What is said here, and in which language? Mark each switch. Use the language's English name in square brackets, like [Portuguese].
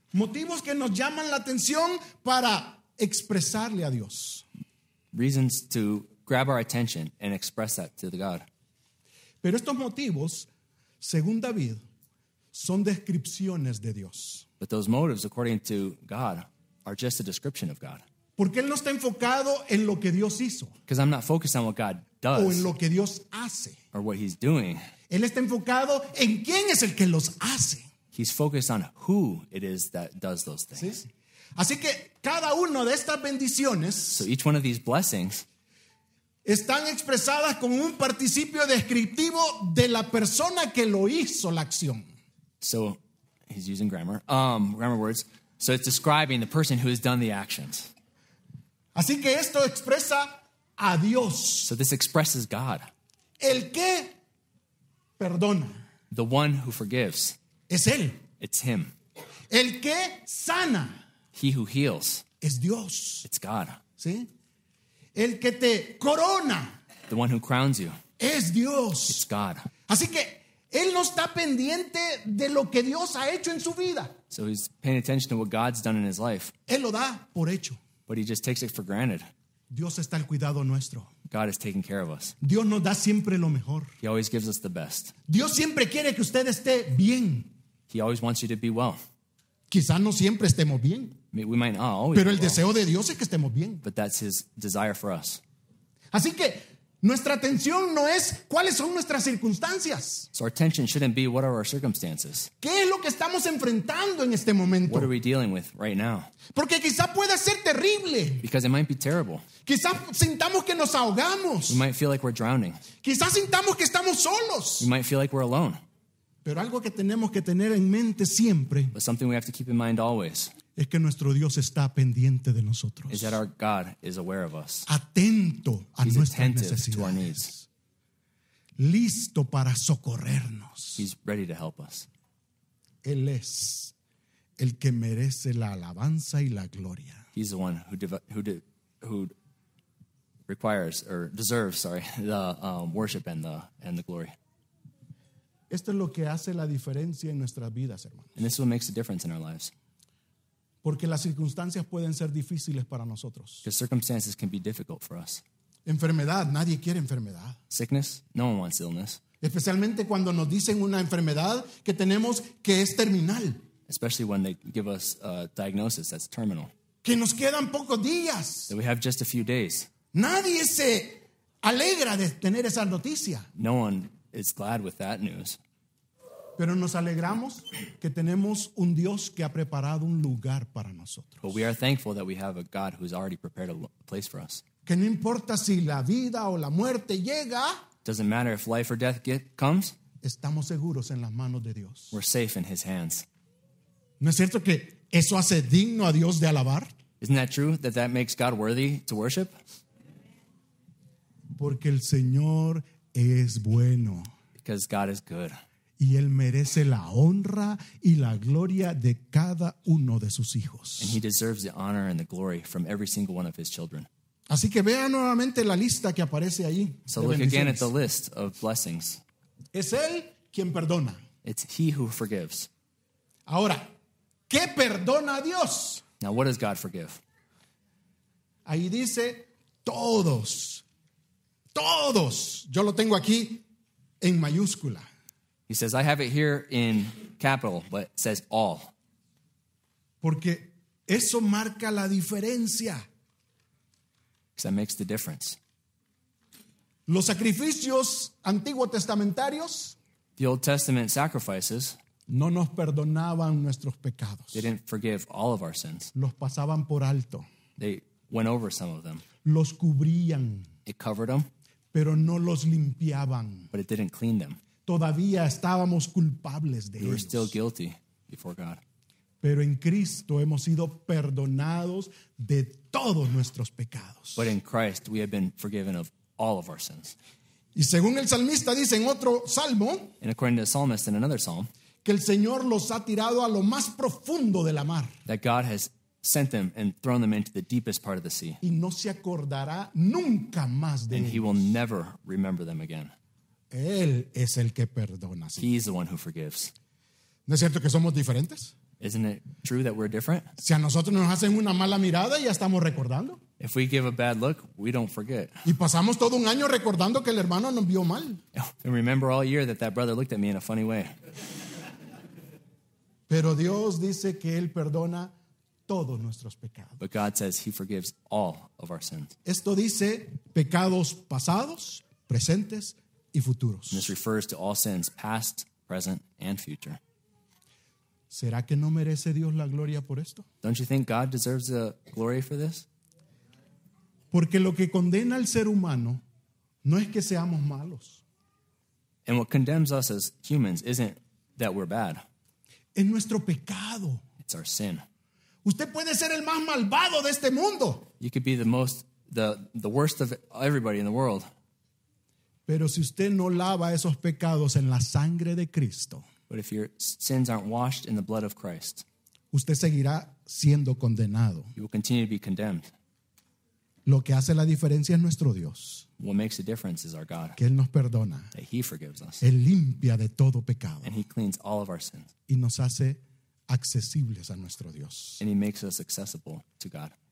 [Spanish] Motivos que nos llaman la atención para expresarle a Dios. [English] Reasons to grab our attention and express that to the God. [Spanish] Pero estos motivos, según David, son descripciones de Dios. [English] But those motives, according to God, are just a description of God. [Spanish] Porque él no está enfocado en lo que Dios hizo. [English] Because I'm not focused on what God does. [Spanish] O en lo que Dios hace. [English] Or what he's doing. [Spanish] Él está enfocado en quién es el que los hace. [English] He's focused on who it is that does those things. [Spanish] ¿Sí? Así que cada una de estas bendiciones. [English] So each one of these blessings. [Spanish] Están expresadas con un participio descriptivo de la persona que lo hizo la acción. [English] So, he's using grammar. Grammar words. So it's describing the person who has done the actions. [Spanish] Así que esto expresa a Dios. [English] So this expresses God. [Spanish] El que perdona. [English] The one who forgives. [Spanish] Es él. [English] It's him. [Spanish] El que sana. [English] He who heals. [Spanish] Es Dios. [English] It's God. [Spanish] ¿Sí? El que te corona. [English] The one who crowns you. [Spanish] Es Dios. [English] It's God. [Spanish] Así que él no está pendiente de lo que Dios ha hecho en su vida. [English] So he's paying attention to what God's done in his life. [Spanish] Él lo da por hecho. [English] But he just takes it for granted. [Spanish] Dios está al cuidado nuestro. [English] God is taking care of us. [Spanish] Dios nos da siempre lo mejor. [English] He always gives us the best. [Spanish] Dios siempre quiere que usted esté bien. [English] He always wants you to be well. [Spanish] Quizás no siempre estemos bien. [English] We might not always. [Spanish] Pero el deseo de Dios es que estemos bien. [English] But that's his desire for us. [Spanish] Así que nuestra atención no es cuáles son nuestras circunstancias. [English] So our attention shouldn't be what are our circumstances. [Spanish] ¿Qué es lo que estamos enfrentando en este momento? [English] What are we dealing with right now? [Spanish] Porque quizá pueda ser terrible. [English] Because it might be terrible. [Spanish] Quizá sintamos que nos ahogamos. [English] We might feel like we're drowning. [Spanish] Quizá sintamos que estamos solos. [English] We might feel like we're alone. [Spanish] Pero algo que tenemos que tener en mente siempre. [English] But something we have to keep in mind always. [Spanish] Es que nuestro Dios está pendiente de nosotros. [English] Is that our God is aware of us. [Spanish] Atento a [English] He's [Spanish] nuestras [English] attentive [Spanish] necesidades. [English] To our needs. [Spanish] Listo para socorrernos. [English] He's ready to help us. [Spanish] Él es el que merece la alabanza y la gloria. [English] He's the one who requires or deserves, sorry, the worship and the glory. [Spanish] Esto es lo que hace la diferencia en nuestras vidas, hermanos. [English] And this is what makes the difference in our lives. [Spanish] Porque las circunstancias pueden ser difíciles para nosotros. [English] Because circumstances can be difficult for us. [Spanish] Enfermedad, nadie quiere enfermedad. [English] Sickness, no one wants illness. [Spanish] Especialmente cuando nos dicen una enfermedad que tenemos que es terminal. [English] Especially when they give us a diagnosis that's terminal. [Spanish] Que nos quedan pocos días. [English] That we have just a few days. [Spanish] Nadie se alegra de tener esa noticia. [English] No one is glad with that news. [Spanish] Pero nos alegramos que tenemos un Dios que ha preparado un lugar para nosotros. [English] But we are thankful that we have a God who's already prepared a place for us. [Spanish] Que no importa si la vida o la muerte llega. [English] Doesn't matter if life or death comes. [Spanish] Estamos seguros en las manos de Dios. [English] We're safe in his hands. [Spanish] ¿No es cierto que eso hace digno a Dios de alabar? [English] Isn't that true that that makes God worthy to worship? [Spanish] Porque el Señor es bueno. [English] Because God is good. [Spanish] Y él merece la honra y la gloria de cada uno de sus hijos. [English] And he deserves the honor and the glory from every single one of his children. [Spanish] Así que vea nuevamente la lista que aparece ahí. [English] So look again at the list of blessings. [Spanish] Es él quien perdona. [English] It's he who forgives. [Spanish] Ahora, ¿qué perdona a Dios? [English] Now, what does God forgive? [Spanish] Ahí dice todos. Todos. Yo lo tengo aquí en mayúscula. [English] He says, I have it here in capital, but it says all. [Spanish] Porque eso marca la diferencia. [English] Because that makes the difference. [Spanish] Los sacrificios antiguo testamentarios. [English] The Old Testament sacrifices. [Spanish] No nos perdonaban nuestros pecados. [English] They didn't forgive all of our sins. [Spanish] Los pasaban por alto. [English] They went over some of them. [Spanish] Los cubrían. [English] It covered them. [Spanish] Pero no los limpiaban. [English] But it didn't clean them. [Spanish] Todavía estábamos culpables de ellos. [English] We were still guilty before God. [Spanish] Pero en Cristo hemos sido perdonados de todos nuestros pecados. [English] But in Christ we have been forgiven of all of our sins. [Spanish] Y según el salmista dice en otro salmo. [English] And according to the psalmist in another psalm. [Spanish] Que el Señor los ha tirado a lo más profundo de la mar. [English] That God has sent them and thrown them into the deepest part of the sea. [Spanish] Y no se acordará nunca más de ellos. [English] And he will never remember them again. [Spanish] Él es el que perdona. [English] He is the one who forgives. [Spanish] ¿No es cierto que somos diferentes? [English] Isn't it true that we're different? [Spanish] Si a nosotros nos hacen una mala mirada, ya estamos recordando. [English] If we give a bad look, we don't forget. [Spanish] Y pasamos todo un año recordando que el hermano nos vio mal. [English] And remember all year that that brother looked at me in a funny way. [Spanish] Pero Dios dice que él perdona todos nuestros pecados. [English] But God says he forgives all of our sins. [Spanish] Esto dice pecados pasados, presentes y futuros. [English] And this refers to all sins, past, present, and future. [Spanish] ¿Será que no merece Dios la gloria por esto? [English] Don't you think God deserves the glory for this? [Spanish] Porque lo que condena al ser humano no es que seamos malos. [English] And what condemns us as humans isn't that we're bad. [Spanish] Es nuestro pecado. [English] It's our sin. [Spanish] Usted puede ser el más malvado de este mundo. [English] You could be the worst of everybody in the world. [Spanish] Pero si usted no lava esos pecados en la sangre de Cristo, [English] but if your sins aren't washed in the blood of Christ, [Spanish] usted seguirá siendo condenado. [English] You will continue to be condemned. [Spanish] Lo que hace la diferencia es nuestro Dios. [English] What makes a difference is our God. [Spanish] Que Él nos perdona. [English] That he forgives us. [Spanish] Él limpia de todo pecado. [English] And he cleans all of our sins. [Spanish] Y nos hace accesibles a nuestro Dios. [English] And he makes us accessible to God.